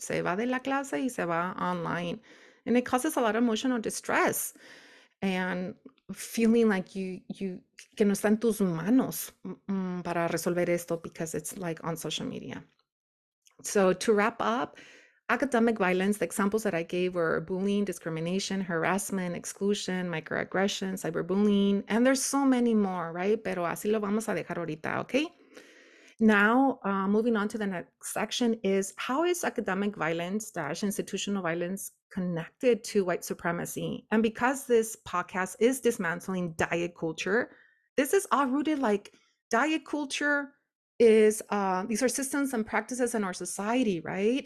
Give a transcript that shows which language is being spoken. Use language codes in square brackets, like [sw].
[es] Se va de la clase y se va online. [en] And it causes a lot of emotional distress and feeling like you [es] que no están tus manos para resolver esto [en] because it's like on social media. So to wrap up, academic violence, the examples that I gave were bullying, discrimination, harassment, exclusion, microaggression, cyberbullying, and there's so many more, right? [es] Pero así lo vamos a dejar ahorita, okay? [en] Now, moving on to the next section is how is academic violence dash institutional violence connected to white supremacy? And because this podcast is dismantling diet culture, this is all rooted like diet culture is, these are systems and practices in our society, right?